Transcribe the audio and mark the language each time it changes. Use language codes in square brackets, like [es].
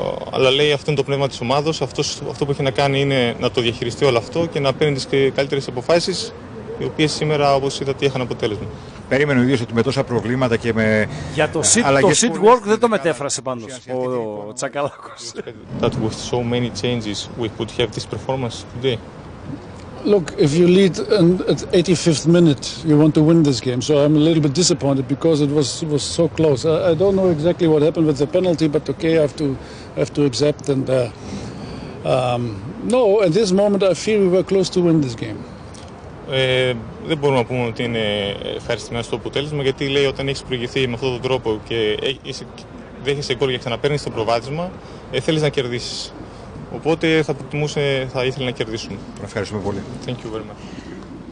[el] Αλλά λέει αυτό είναι το πνεύμα της ομάδος. Αυτό που έχει να κάνει είναι να το διαχειριστεί όλο αυτό και να παίρνει τις καλύτερες αποφάσεις, οι οποίες σήμερα, όπως είδατε, είχαν αποτέλεσμα. Περίμενε ο ίδιος ότι με τόσα προβλήματα και με... Για το seat work δεν το μετέφρασε πάντως ο Τσακαλάκος. [en] That with so many changes we could have this performance today. Look, if you lead and at 85th minute you want to win this game, so I'm a little bit disappointed because it was so close. I don't know exactly what happened with the penalty, but okay, I have to accept. And no, at this moment I feel we were close to win this game. [el] Δεν μπορούμε να πούμε ότι είναι ευχαριστημένο το αποτέλεσμα, γιατί λέει όταν έχεις προηγηθεί με αυτόν τον τρόπο και δέχεσαι γκολ για να παίρνεις το προβάδισμα, θέλεις να κερδίσεις. Οπότε θα ήθελε να κερδίσουμε. Ευχαριστούμε πολύ. [en] Thank you very much.